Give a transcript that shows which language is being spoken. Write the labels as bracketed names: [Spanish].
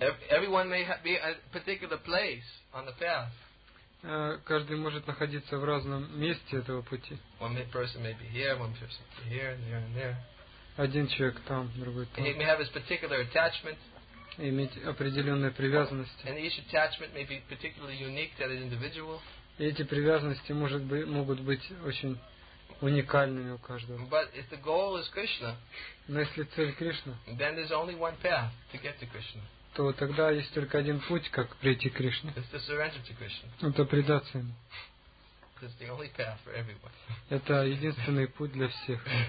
[English] Everyone may be at a particular place on the path. [Russian] Каждый может находиться в разном месте этого пути. [English] One person may be here, one person may be here, and there and there. [Russian] Один человек там, другой там. [English] He may have his particular attachment. [Russian] Иметь определенные привязанности. [English] And each attachment may be particularly unique to that individual. [Russian] И эти привязанности могут быть очень уникальными у каждого. [English] But if the goal is Krishna, [Russian] но если цель Кришна, [English] then there's only one path to get to Krishna. [Russian] То тогда есть только один путь, как прийти к Кришне. [English] It's to surrender to Krishna. [Russian] Это предаться ему. [English] It's the only path for everyone. [Russian] Это единственный путь для всех.